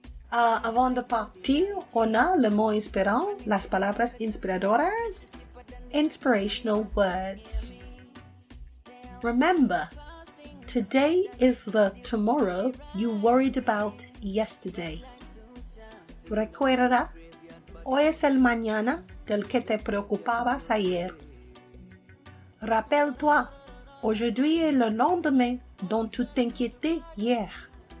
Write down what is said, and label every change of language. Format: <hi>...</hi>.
<fr>Avant de partir, on a le mot inspirant,</fr> <es>las palabras inspiradoras,</es> <en>inspirational words. Remember, today is the tomorrow you worried about yesterday.</en> <es>Recuerda, hoy es el mañana del que te preocupabas ayer.</es> <fr>Rappelle-toi, aujourd'hui est le lendemain dont tu t'inquiétais hier.</fr>